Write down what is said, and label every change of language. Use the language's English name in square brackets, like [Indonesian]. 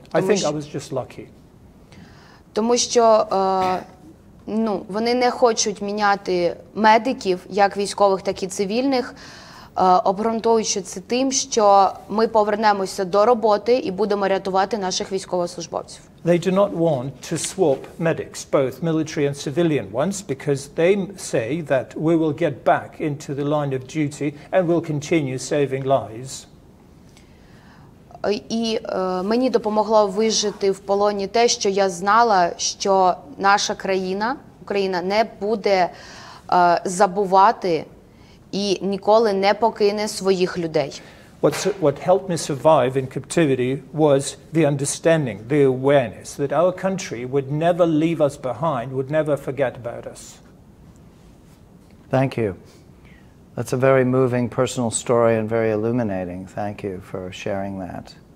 [English] I think I was just lucky. [Ukrainian] Тому що, ну, вони не хочуть міняти медиків, як військових, так і цивільних, обґрунтовуючи це тим, що ми повернемося до роботи і будемо рятувати наших військовослужбовців. [English] They do not want to swap medics, both military and civilian ones, because they say that we will get back into the line of duty and will continue saving lives. [Ukrainian] І мені допомогло вижити в полоні те, що я знала, що наша країна, Україна, не буде забувати і ніколи не покине своїх людей. [English] What helped me survive in captivity was the understanding, the awareness that our country would never leave us behind, would never forget about us. Thank you. That's a very moving personal story and very illuminating. Thank you for sharing that.